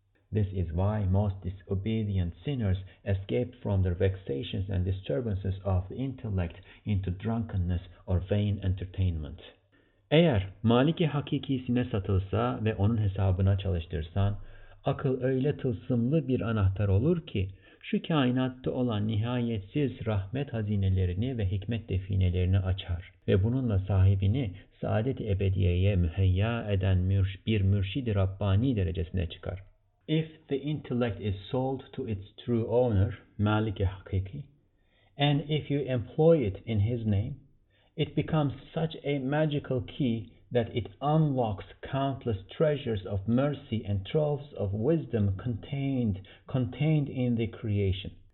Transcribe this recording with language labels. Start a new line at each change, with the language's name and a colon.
English: This is why most disobedient sinners escape from their vexations and disturbances of the intellect into drunkenness or vain entertainment.
Turkish: Eğer Maliki hakikisine satılsa ve onun hesabına çalıştırsan, akıl öyle tılsımlı bir anahtar olur ki, şu kainatta olan nihayetsiz rahmet hazinelerini ve hikmet definelerini açar ve bununla sahibini saadet-i ebediyeye müheyya eden bir mürşid-i Rabbani derecesine çıkar.
English: If the intellect is sold to its true owner, Malik-i Hakiki, and if you employ it in his name, it becomes such a magical key that it unlocks countless treasures of mercy and troves of wisdom contained in the creation.